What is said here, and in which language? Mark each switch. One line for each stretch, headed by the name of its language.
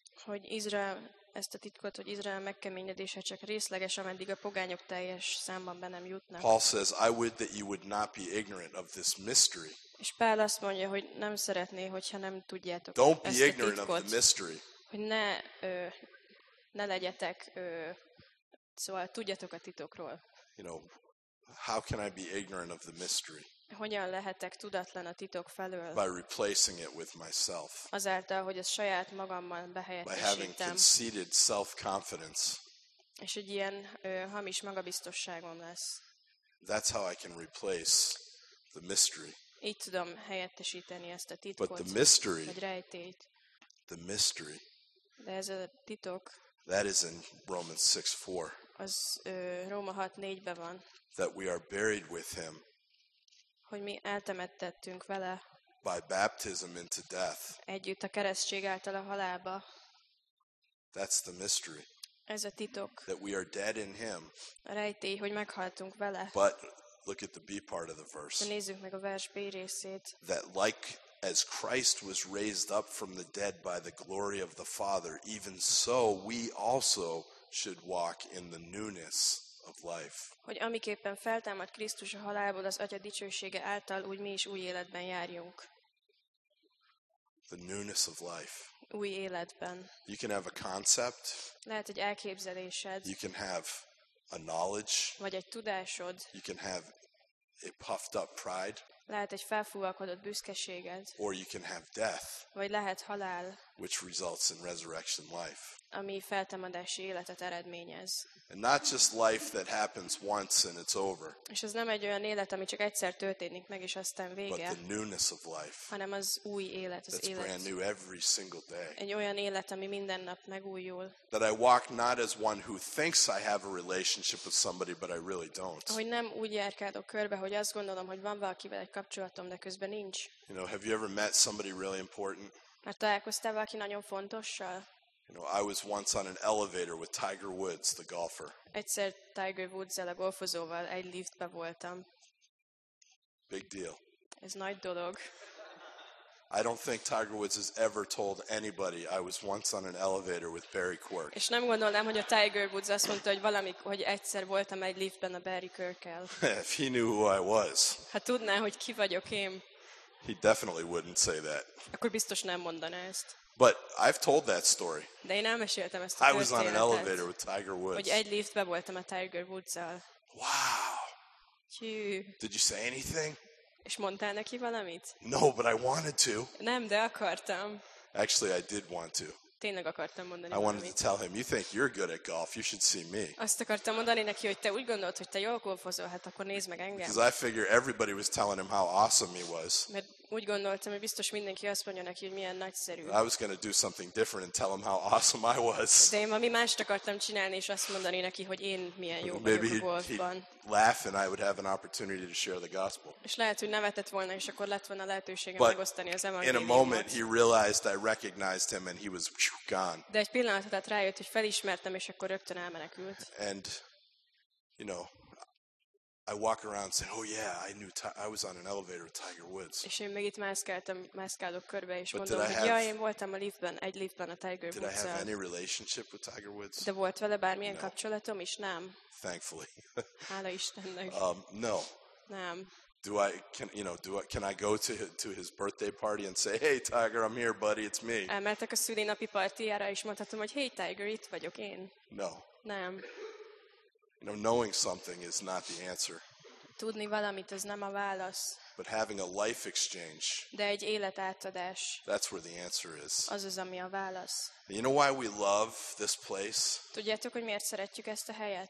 Hungarian: Hogy Izrael, ezt a titkot, hogy Izrael megkeményedése csak részleges, ameddig a pogányok teljes számban be nem jutnak.
English: Paul says, I would that you would not be ignorant of this mystery.
Hungarian: És Pál azt mondja, hogy nem szeretné, hogyha nem tudjátok ezt a titkot.
English: Of the mystery.
Hungarian: Hogy ne legyetek, szóval tudjatok a titokról.
English: You know, how can I be ignorant of the mystery?
Hungarian: Hogyan lehetek tudatlan a titok felől?
English: By replacing it with myself.
Hungarian: Azáltal, hogy ezt saját magammal behelyettesítem.
English: By having conceited self-confidence.
Hungarian: És egy ilyen hamis magabiztosságom lesz.
English: That's how I can replace the mystery.
Hungarian: Így tudom helyettesíteni ezt a titkot,
English: but the mystery,
Hungarian: vagy rejtélyt.
English: The mystery,
Hungarian: de ez a titok,
English: that is in Romans 6:4.
Hungarian: Az Róma 6:4-ben van.
English: That we are buried with him,
Hungarian: hogy mi eltemettettünk vele,
English: by baptism into death.
Hungarian: Együtt a keresztség által a halálba.
English: That's the mystery.
Hungarian: Ez a titok.
English: That we are dead in him,
Hungarian: a rejtély, hogy meghaltunk vele.
English: But look at the B part of the verse.
Hungarian: Nézzük meg a vers B részét.
English: That like as Christ was raised up from the dead by the glory of the Father, even so we also should walk in the newness of life.
Hungarian: Hogy amiképpen feltámadt Krisztus a halálból az Atya dicsősége által, úgy mi is új életben járjunk.
English: The newness of life.
Hungarian: Új életben.
English: You can have a concept.
Hungarian: Lehet egy elképzelésed.
English: You can have a knowledge.
Hungarian: Vagy egy tudásod.
English: You can have a puffed up pride.
Hungarian: Lehet egy felfúvalkodott büszkeséged.
English: Or you can have death.
Hungarian: Vagy lehet halál.
English: Which results in resurrection life.
Hungarian: Ami feltámadási életet eredményez.
English: And not just life that happens once and it's over.
Hungarian: És ez nem egy olyan élet, ami csak egyszer történik meg és aztán vége.
English: But the newness of life.
Hungarian: Hanem az új élet, az élet.
English: That's brand new every single day.
Hungarian: Egy olyan élet, ami minden nap megújul.
English: That I walk not as one who thinks I have a relationship with somebody, but I really don't.
Hungarian: Hogy nem úgy járkálok körbe, hogy azt gondolom, hogy van valakivel egy kapcsolatom, de közben nincs.
English: You know, have you ever met somebody really important?
Hungarian: Mert találkoztál valaki nagyon fontossal?
English: You know, I was once on an elevator with Tiger Woods, the golfer.
Hungarian: Egyszer Tiger Woods-el, a golfozóval egy liftbe voltam.
English: Big deal.
Hungarian: Ez nagy dolog.
English: I don't think Tiger Woods has ever told anybody I was once on an elevator with Barry Quirk.
Hungarian: És nem gondolnám, hogy a Tiger Woods azt mondta, hogy valamik, hogy egyszer voltam egy liftben a Barry Quirk-el.
English: If he knew who I was.
Hungarian: Ha tudná, hogy ki vagyok én.
English: He definitely wouldn't say that.
Hungarian: Akkor biztos nem mondaná ezt.
English: But I've told that story.
Hungarian: De én elmeséltem ezt a
English: I was on an elevator with Tiger Woods.
Hungarian: Hogy egy liftben voltam a Tiger Woods-al.
English: Wow.
Hungarian: Hű.
English: Did you say anything?
Hungarian: És mondtál neki valamit?
English: No, but I wanted to.
Hungarian: Nem, de akartam.
English: Actually, I did want to.
Hungarian: Tényleg akartam mondani valamit.
English: I wanted to tell him, you think you're good at golf, you should see me.
Hungarian: Azt akartam mondani neki, hogy te úgy gondolod, hogy te jól golfozol, hát akkor nézd meg engem.
English: Because I figure everybody was telling him how awesome he was.
Hungarian: Mert úgy gondoltam, hogy biztos mindenki azt mondja neki, hogy milyen nagyszerű.
English: I was going to do something different and tell him how awesome I was.
Hungarian: De én valami mást akartam csinálni, és azt mondani neki, hogy én milyen jó vagyok a golfban.
English: Laugh and I would have an opportunity to share the gospel.
Hungarian: És lehet, hogy nevetett volna, és akkor lett volna lehetőségem megosztani az evangéliumot.
English: In a moment he realized I recognized him and he was gone.
Hungarian: De egy pillanat alatt rájött, hogy felismertem, és akkor rögtön elmenekült.
English: And you know, I walk around saying, "Oh yeah, I knew I was on an elevator with Tiger Woods."
Hungarian: És én meg itt mászkálok körbe, és mondom, hogy jaj, én voltam a liftben, egy liftben a Tiger Woods-al.
English: Did I have any relationship with Tiger Woods?
Hungarian: De volt vele bármilyen kapcsolatom, és nem.
English: Thankfully.
Hungarian: Hála Istennek.
English: No.
Hungarian: Nem.
English: Do I can you know do I can I go to his birthday party and say, "Hey Tiger, I'm here, buddy, it's me."
Hungarian: Elmentek a szülinapi partijára, és mondhatom, hogy, "Hey Tiger, itt vagyok én."
English: No.
Hungarian: Nem.
English: You know, knowing something is not the answer.
Hungarian: Tudni valamit, ez nem a válasz.
English: But having a life exchange.
Hungarian: De egy életátadás.
English: That's where the answer is.
Hungarian: Az az, ami a válasz.
English: You know why we love this place?
Hungarian: Tudjátok, hogy miért szeretjük ezt a helyet?